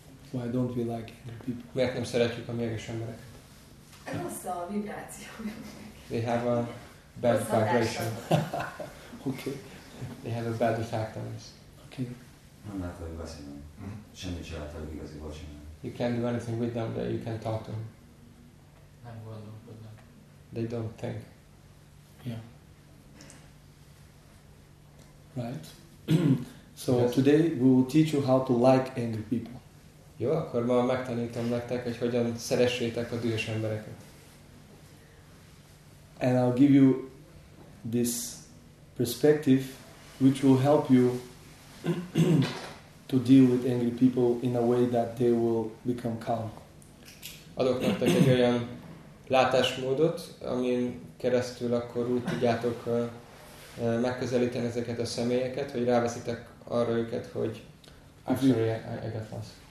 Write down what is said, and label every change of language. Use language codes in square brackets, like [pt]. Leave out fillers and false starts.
[en] Why don't we like angry people? [hu] Miért nem szeretjük a mérges embereket? Rossz a vibráció. [en] They have a bad vibration. Okay. They have a bad effect on us. Okay. [hu] Nem lehet velük beszélni. Semmit sem lehet velük igazi beszélni. [en] You can't do anything with them, but you can talk to them. [hu] Nem gondolkodnak. [en] They don't think. Yeah. Right? So yes. Today we will teach you how to like angry people. [hu] Jó, akkor ma megtanítom nektek, hogy hogyan szeressétek a dühös embereket. [en] And I'll give you this perspective, which will help you to deal with angry people in a way that they will become calm. [hu] Adok nektek egy olyan látásmódot, amin keresztül akkor úgy tudjátok megközelíteni ezeket a személyeket, hogy ráveszitek arra őket, hogy [en] actually I got lost.